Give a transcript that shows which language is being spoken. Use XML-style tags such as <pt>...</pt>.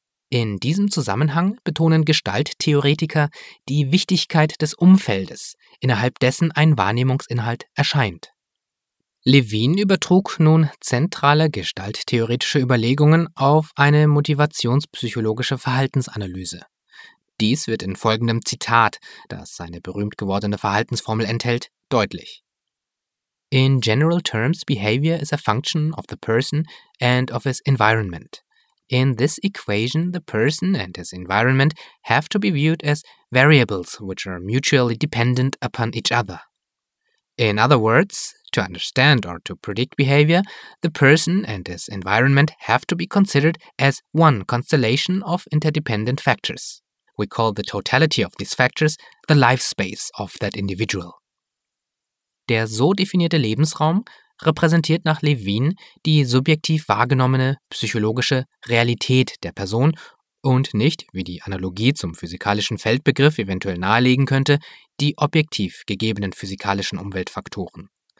<de>In diesem Zusammenhang betonen Gestalttheoretiker die Wichtigkeit des Umfeldes, innerhalb dessen ein Wahrnehmungsinhalt erscheint. Lewin übertrug nun zentrale gestalttheoretische Überlegungen auf eine motivationspsychologische Verhaltensanalyse. Dies wird in folgendem Zitat, das seine berühmt gewordene Verhaltensformel enthält, deutlich.</de> <en>In general terms, behavior is a function of the person and of his environment. In this equation, the person and his environment have to be viewed as variables which are mutually dependent upon each other. In other words, to understand or to predict behavior, the person and his environment have to be considered as one constellation of interdependent factors. We call the totality of these factors the life space of that individual.</en> <de>Der so definierte Lebensraum repräsentiert nach Lewin die subjektiv wahrgenommene psychologische Realität der Person und nicht, wie die Analogie zum physikalischen Feldbegriff eventuell nahelegen könnte, die objektiv gegebenen physikalischen Umweltfaktoren.</de>